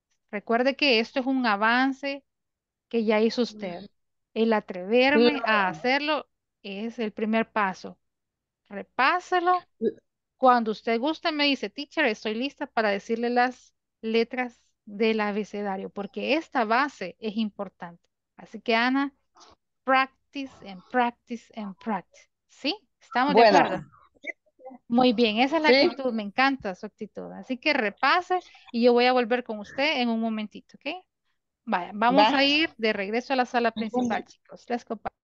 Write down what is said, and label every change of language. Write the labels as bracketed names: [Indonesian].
[Spanish] Recuerde que esto es un avance que ya hizo usted. El atreverme a hacerlo es el primer paso. Repáselo. Cuando usted guste, me dice, teacher, estoy lista para decirle las letras del abecedario, porque esta base es importante. Así que, [English] Ana, practice and practice and practice. [Spanish] ¿Sí? ¿Estamos de acuerdo? Muy bien, esa es la actitud. Me encanta su actitud. Así que repase y yo voy a volver con usted en un momentito, ¿ok? Vaya, vamos a ir de regreso a la sala principal, chicos. [English] Let's go.